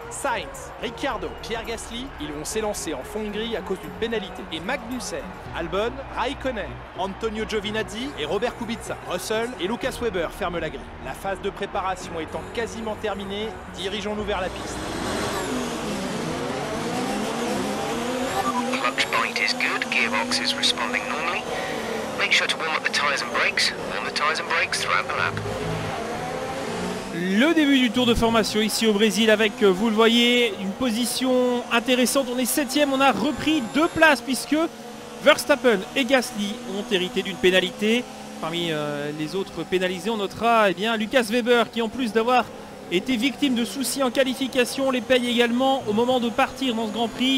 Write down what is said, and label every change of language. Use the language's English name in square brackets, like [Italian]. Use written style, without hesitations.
[French] Sainz, Ricciardo, Pierre Gasly, ils vont s'élancer en fond de grille à cause d'une pénalité. Et Magnussen, Albon, Raikkonen, Antonio Giovinazzi et Robert Kubica. Russell et Lucas Weber ferment la grille. La phase de préparation étant quasiment terminée, dirigeons-nous vers la piste. [English] Clutch point is good, gearbox is responding normally. Make sure to warm up the tires and brakes. Warm the tires and brakes throughout the lap. [French] le début du tour de formation ici au Brésil avec, vous le voyez, une position intéressante. On est 7e, on a repris deux places puisque Verstappen et Gasly ont hérité d'une pénalité. Parmi les autres pénalisés, on notera eh bien, Lucas Weber qui, en plus d'avoir été victime de soucis en qualification, les paye également au moment de partir dans ce Grand Prix.